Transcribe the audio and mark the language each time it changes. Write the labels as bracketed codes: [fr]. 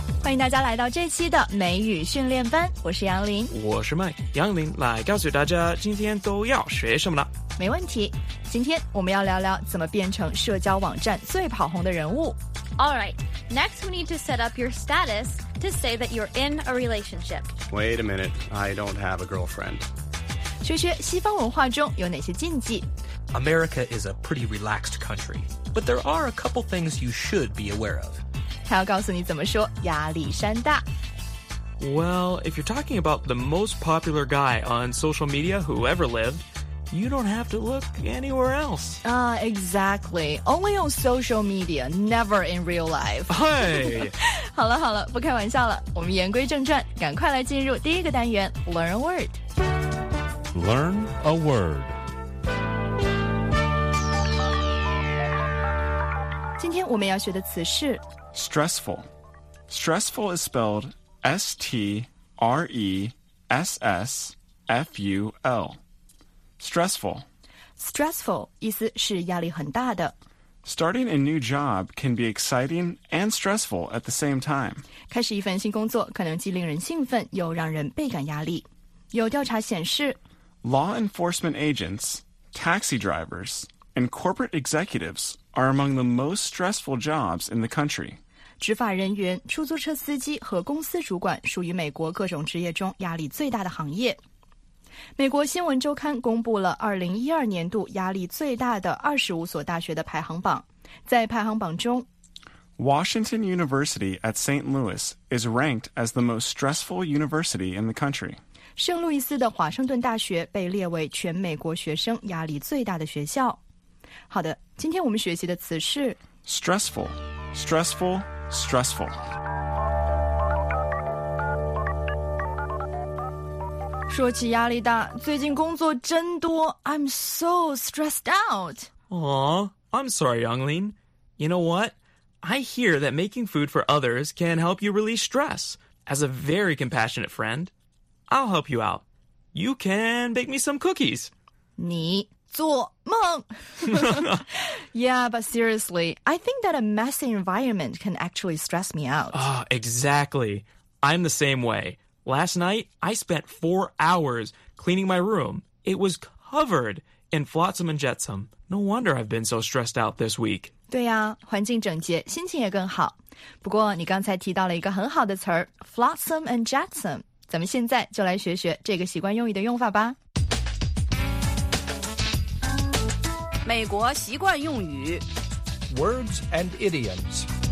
[zh] 迎大家来到这期的美语训练班，我是杨林，我是麦。杨林来告诉大家今天都要学什么了。没问题，今天我们要聊聊怎么变成社交网站最跑红的人物。 [en] All right, next we need to set up your status to say that you're in a relationship. Wait a minute, I don't have a girlfriend. [zh] 学学西方文化中有哪些禁忌。 [en] America is a pretty relaxed country, but there are a couple things you should be aware of. [zh] 他要告诉你怎么说亚历山大。 [en] Well, if you're talking about the most popular guy on social media who ever lived,You don't have to look anywhere else. Exactly. Only on social media, never in real life. Hey! [zh] 好了好了，不开玩笑了，我们言归正传，赶快来进入第一个单元 [en] Learn a Word. Learn a Word. [zh] 今天我们要学的词是 [en] Stressful. Stressful is spelled S-T-R-E-S-S-F-U-L. Stressful. [zh] Stressful 意思是压力很大的。 [en] Starting a new job can be exciting and stressful at the same time. [zh] 开始一份新工作可能既令人兴奋又让人倍感压力。有调查显示 [en] Law enforcement agents, taxi drivers, and corporate executives are among the most stressful jobs in the country. [zh] 执法人员、出租车司机和公司主管属于美国各种职业中压力最大的行业。美国新闻周刊公布了2012年度压力最大的25所大学的排行榜。在排行榜中 [en] ,Washington University at St. Louis is ranked as the most stressful university in the country. [zh] 圣路易斯的华盛顿大学被列为全美国学生压力最大的学校。好的，今天我们学习的词是 [en] Stressful, stressful, stressful. [zh] 说起压力大，最近工作真多。 [en] I'm so stressed out. Aw, I'm sorry, Youngling. You know what? I hear that making food for others can help you release stress. As a very compassionate friend, I'll help you out. You can bake me some cookies. [zh] 你做梦。 [en] Yeah, but seriously, I think that a messy environment can actually stress me out. Exactly. I'm the same way. Last night, I spent 4 hours cleaning my room. It was covered in flotsam and jetsam. No wonder I've been so stressed out this week. [zh] 对呀、啊，环境整洁，心情也更好。不过你刚才提到了一个很好的词儿 [en] flotsam and jetsam. [zh] 咱们现在就来学学这个习惯用语的用法吧。美国习惯用语 [en] Words and idioms.